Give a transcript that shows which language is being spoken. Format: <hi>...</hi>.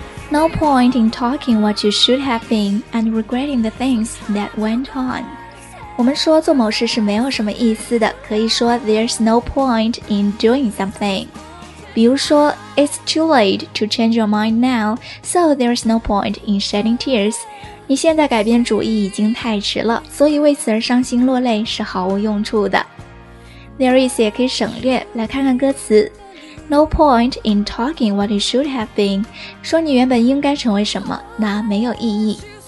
<en>No point in talking what you should have been and regretting the things that went on.</en> <zh>我们说做某事是没有什么意思的，可以说</zh> <en>there's no point in doing something.</en> <zh>比如说</zh> <en>it's too late to change your mind now, so there's no point in shedding tears.</en> <zh>你现在改变主意已经太迟了，所以为此而伤心落泪是毫无用处的。 There is 也可以省略，来看看歌词。</zh> <en>No point in talking what you should have been.</en> <zh>说你原本应该成为什么，那没有意义。</zh>